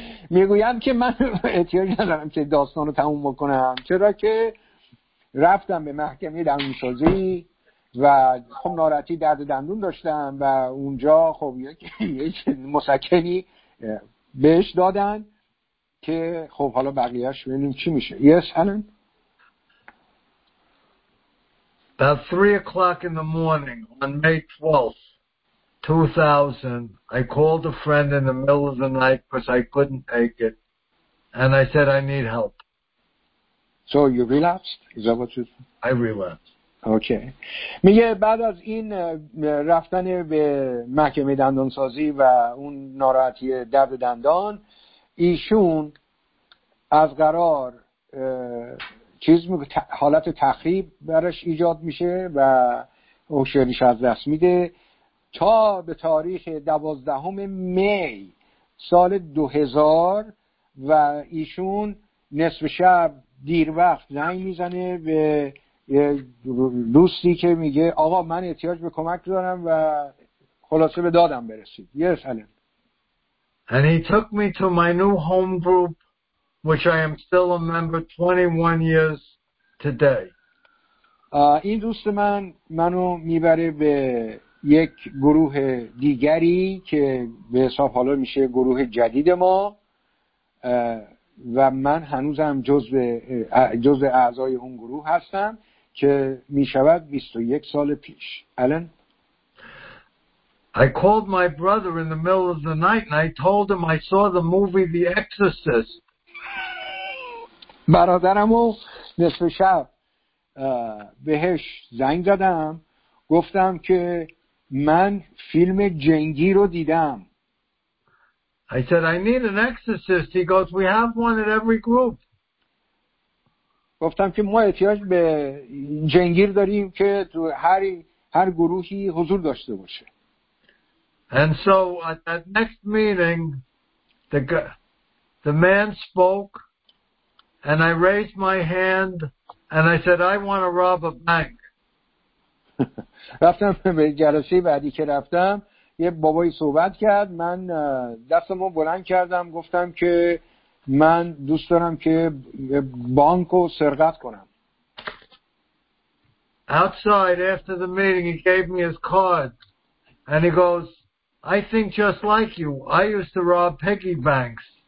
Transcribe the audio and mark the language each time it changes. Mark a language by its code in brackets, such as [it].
[fa] میگویند که من احتیاج ندارم که داستانو تموم بکنم، چرا که رفتم به محکمه دندونسازی و خب ناراحتی درد دندون داشتم و اونجا خب یک مسکنی بهش دادن که خب حالا بقیهش ببینیم چی میشه. [en] Yes, Helen. About 3 o'clock in the morning on May 12th, 2000, I called a friend in the middle of the night because I couldn't take it, and I said I need help. So you relapsed? Is that what you said? I relapsed. Okay. [fa] میگه بعد از این رفتن به محکمه دندانسازی و اون ناراحتی درد دندان، ایشون از قرار چیز حالت تخریب برش ایجاد میشه و هوشیاریش از دست میده. تا به تاریخ 12 می سال 2000 و ایشون نصف شب دیر وقت زنگ میزنه به دوستی که میگه آقا من احتیاج به کمک دارم و خلاصه به دادم برسید. [en] Yes, Helen. And he took me to my new home group, which I am still a member 21 years today. [fa] این دوست من منو میبره به یک گروه دیگری که به حساب حالا میشه گروه جدید ما، و من هنوزم جزء اعضای اون گروه هستم که میشود 21 سال پیش. الان [en] I called my brother in the middle of the night and I told him I saw the movie The Exorcist. [fa] برادرمو نصف شب بهش زنگ زدم، گفتم که من فیلم جنگی رو دیدم. [en] I said, I need an exorcist. He goes, we have one in every group. [fa] گفتم که ما احتیاج به جنگیر داریم که تو هر گروهی حضور داشته باشه. [en] And so at that next meeting, the man spoke, and I raised my hand, and I said, I want to rob a bank. [fa] رفتم به جلسه بعدی که رفتم یه بابایی صحبت کرد، من دستمو بلند کردم، گفتم که من دوست دارم که بانکو سرقت کنم. [en] Outside after the meeting he gave me his card and he goes, I think just like you, I used to rob piggy banks.